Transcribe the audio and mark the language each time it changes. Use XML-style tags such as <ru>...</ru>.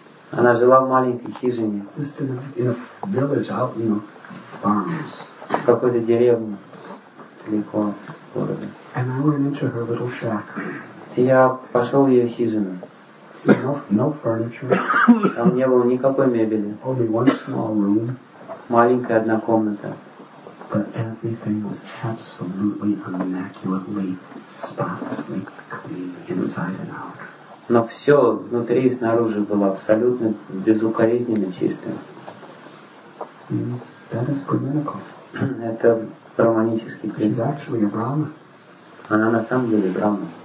<ru>Она жила в маленькой хижине. В какой-то деревне, далеко от города. Я пошел в ее хижину.</ru> <en>No furniture.</en> <ru>Там не было никакой мебели.</ru> <en>Only one small room.</en> <ru>Маленькая одна комната.</ru> <en>But everything was absolutely immaculately, spotlessly clean inside and out.</en> <ru>Но все внутри и снаружи было абсолютно безукоризненно чистым.</ru> <en>That is brahmanical.</en> <ru>Это брахманический принцип.</ru> <en>She's actually a brahma.</en> <ru>Она на самом деле брахма.</ru>